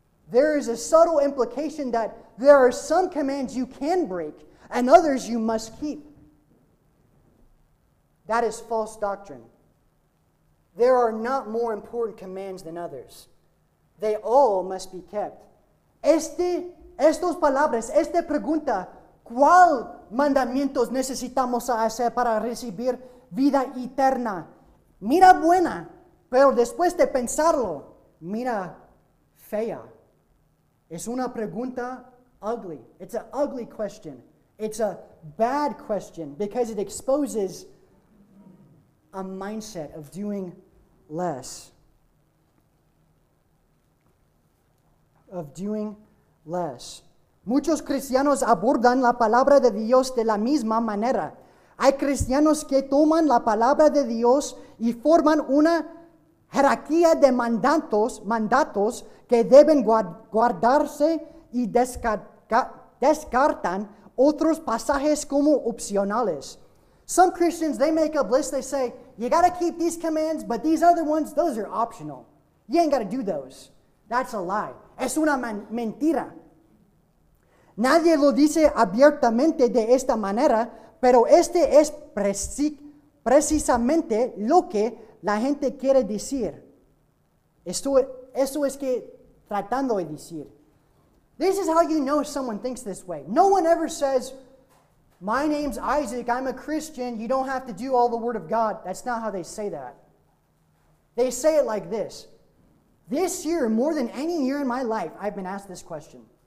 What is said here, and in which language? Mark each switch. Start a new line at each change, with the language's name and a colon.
English: There is a subtle implication that there are some commands you can break and others you must keep. That is false doctrine. There are not more important commands than others. They all must be kept.
Spanish: Estas palabras, esta pregunta, ¿cuál mandamientos necesitamos hacer para recibir vida eterna? Mira buena, pero después de pensarlo, mira fea. Es una pregunta ugly.
English: It's an ugly question. It's a bad question because it exposes a mindset of doing less. Of doing less.
Spanish: Muchos cristianos abordan la palabra de Dios de la misma manera. Hay cristianos que toman la palabra de Dios y forman una jerarquía de mandatos que deben guardarse y descartan otros pasajes como opcionales.
English: Some Christians, they make up lists. They say, you got to keep these commands, but these other ones, those are optional. You ain't got to do those. That's a lie.
Spanish: Es una mentira. Nadie lo dice abiertamente de esta manera, pero este es precisamente lo que la gente quiere decir. Eso es que tratando de decir.
English: This is how you know someone thinks this way. No one ever says, my name's Isaac, I'm a Christian, you don't have to do all the word of God. That's not how they say that. They say it like this. This year, more than any year in my life, I've been asked this question.